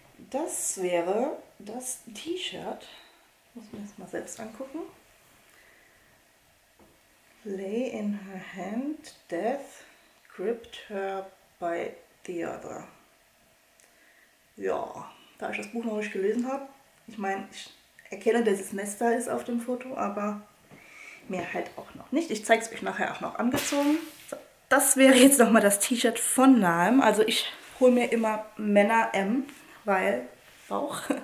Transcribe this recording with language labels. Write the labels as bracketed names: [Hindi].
[German] Das wäre das T-Shirt. Muss man jetzt mal selbst angucken. [English] Lay in her hand, death gripped her by the other. [German] Ja, da ich das Buch noch nicht gelesen habe, ich meine, ich erkenne, dass es Nesta ist auf dem Foto, aber mehr halt auch noch nicht. Ich zeige es euch nachher auch noch angezogen. So, das wäre jetzt nochmal das T-Shirt von Naim. Also ich hole mir immer Männer M, weil Bauch.